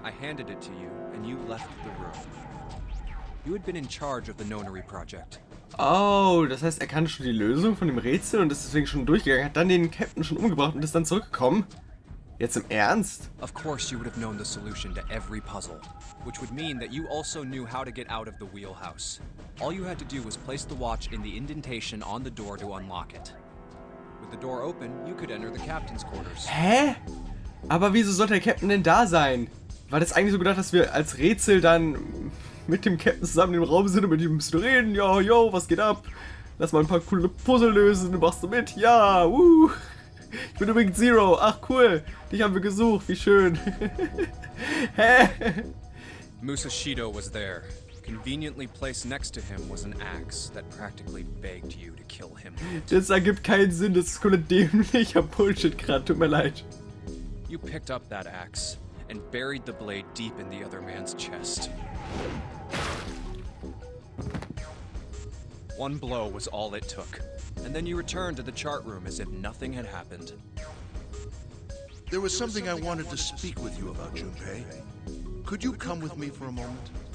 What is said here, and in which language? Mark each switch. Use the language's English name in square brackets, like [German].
[English] I handed it to you, and you left the room. You had been in charge of the Nonary Project. [German] Oh, das heißt, er kannte schon die Lösung von dem Rätsel und ist deswegen schon durchgegangen, hat dann den Captain schon umgebracht und ist dann zurückgekommen? Jetzt im Ernst? [English] Of course you would have known the solution to every puzzle. Which would mean that you also knew how to get out of the wheelhouse. All you had to do was place the watch in the indentation on the door to unlock it. With the door open, you could enter the captain's quarters. [German] Hä? Aber wieso sollte der Captain denn da sein? War das eigentlich so gedacht, dass wir als Rätsel dann mit dem Captain zusammen im Raum sind und mit ihm zu reden? Yo, yo, was geht ab? Lass mal ein paar coole Puzzle lösen, machst du mit? Ja, woo! Ich bin übrigens Zero. Ach cool, dich haben wir gesucht, wie schön. Hä? [English] Musashido was there. Conveniently placed next to him was an axe that practically begged you to kill him. [German] Das ergibt keinen Sinn, das ist cool und dämlicher Bullshit gerade, tut mir leid. [English] You picked up that axe and buried the blade deep in the other man's chest. One blow was all it took, and then you returned to the chart room as if nothing had happened. There was something I wanted to speak with you about, Junpei. Could you come with me for a moment?